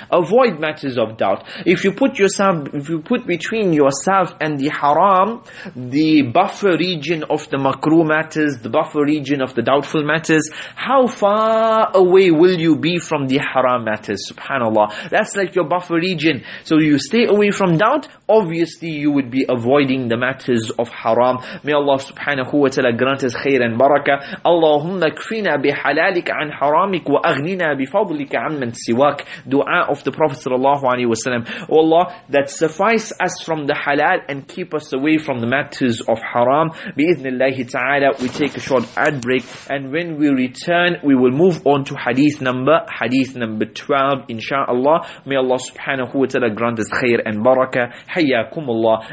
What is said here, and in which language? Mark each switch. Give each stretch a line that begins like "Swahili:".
English: Avoid matters of doubt. If you put between yourself and the haram, the buffer region of the makruh matters, the buffer region of the doubtful matters, how far away will you be from the haram matters? Subhanallah. That's like your buffer region. So you stay away from doubt, obviously you would be avoiding the matters of haram. May Allah subhanahu wa ta'ala grant us khair and barakah.
Arabic: Allahumma اكفنا بحلالك عن حرامك واغننا بفضلك عن من سواك.
English: Dua of the Prophet sallallahu alaihi wasallam. O Allah, that suffice us from the halal and keep us away from the matters of haram. Bi'idhnillahi ta'ala, we take a short ad break, and when we return, we will move on to hadith number 12, inshaAllah. May Allah subhanahu wa ta'ala grant us khair and barakah. Hayyakum Allah.